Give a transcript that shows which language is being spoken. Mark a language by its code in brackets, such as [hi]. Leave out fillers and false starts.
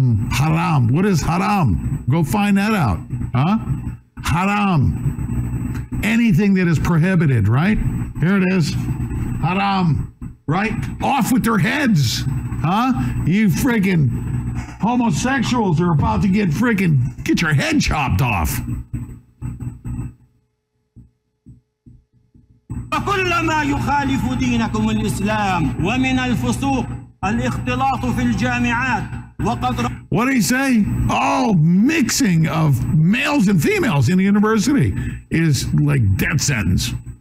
[en] حرام what is حرام go find that out huh حرام anything that is prohibited right here it is حرام right off with their heads Huh? You freaking homosexuals are about to get your head chopped off. [ar] وكل ما يخالف دينكم الإسلام ومن الفسوق الاختلاط في الجامعات وقد [en] What did he say? Oh, mixing of males and females in the university is like death sentence.